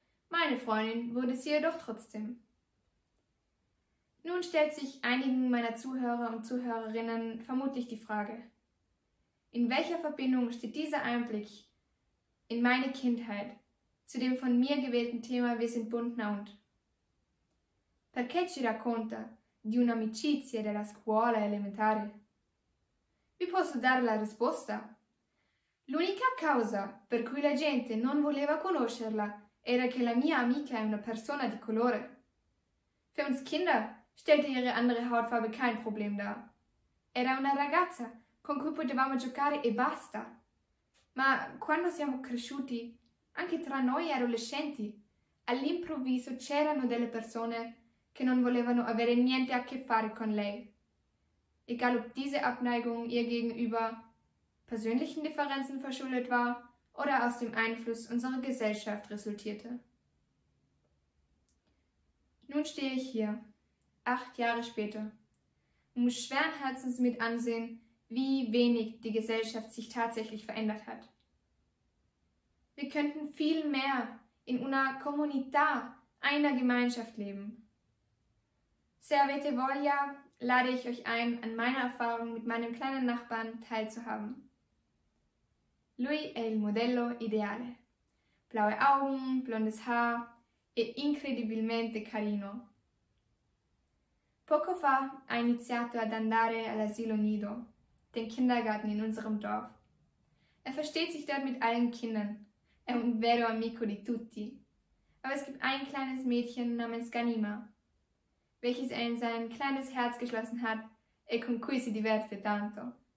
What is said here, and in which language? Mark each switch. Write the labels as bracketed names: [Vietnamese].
[German] Meine Freundin wurde sie jedoch trotzdem. Nun stellt sich einigen meiner Zuhörer und Zuhörerinnen vermutlich die Frage, in welcher Verbindung steht dieser Einblick in meine Kindheit zu dem von mir gewählten Thema Wir sind bunt naunt? [Italian] Perché ci racconta di un'amicizia della scuola elementare? Vi posso dare la risposta? L'unica causa per cui la gente non voleva conoscerla era che la mia amica è una persona di colore. [German] Für uns Kinder stellte ihre andere Hautfarbe kein Problem dar. [Italian] Era una ragazza con cui potevamo giocare e basta. Ma quando siamo cresciuti, anche tra noi adolescenti, all'improvviso c'erano delle persone che non volevano avere niente a che fare con lei. [German] Egal ob diese Abneigung ihr gegenüber persönlichen Differenzen verschuldet war oder aus dem Einfluss unserer Gesellschaft resultierte. Nun stehe ich hier, 8 Jahre später, und muss schweren Herzens mit ansehen, wie wenig die Gesellschaft sich tatsächlich verändert hat. Wir könnten viel mehr [Italian] in una comunità, [German] einer Gemeinschaft leben. [Italian] Se avete voglia, [German] lade ich euch ein, an meiner Erfahrung mit meinem kleinen Nachbarn teilzuhaben. [Italian] Lui è il modello ideale. [German] Blaue Augen, blondes Haar [Italian] e incredibilmente carino. Poco fa ha iniziato ad andare all'asilo nido, [German] den Kindergarten in unserem Dorf. Er versteht sich dort mit allen Kindern. [Italian] È un vero amico di tutti. [German] Aber es gibt ein kleines Mädchen namens Ganima, welches er in sein kleines Herz geschlossen hat, [Italian] e con cui si diverte tanto.